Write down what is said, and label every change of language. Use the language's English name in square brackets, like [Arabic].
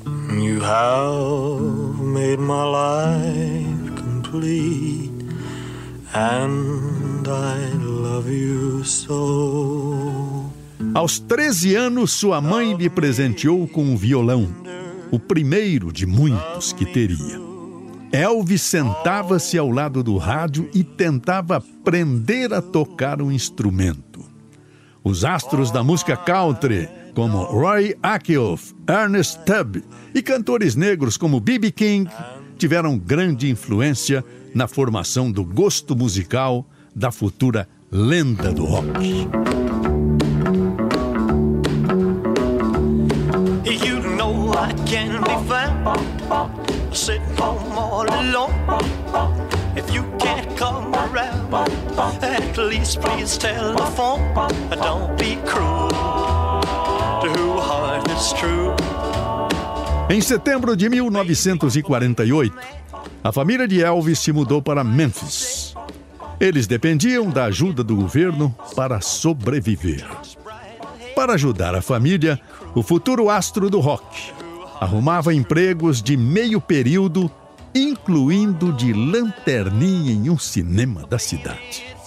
[English] You have made my life complete and I love you so. [Portuguese] Aos 13 anos, sua mãe lhe presenteou com um violão, o primeiro de muitos que teria. Elvis sentava-se ao lado do rádio e tentava aprender a tocar um instrumento. Os astros da música country, como Roy Acuff, Ernest Tubb e cantores negros como B.B. King, tiveram grande influência na formação do gosto musical da futura lenda do rock. [English] You know I can be found sitting home all alone. If you can't come around, at least please tell the phone. Don't be cruel to who heart is true. [Portuguese] Em setembro de 1948, a família de Elvis se mudou para Memphis. Eles dependiam da ajuda do governo para sobreviver. Para ajudar a família, o futuro astro do rock arrumava empregos de meio período, incluindo de lanterninha em um cinema da cidade.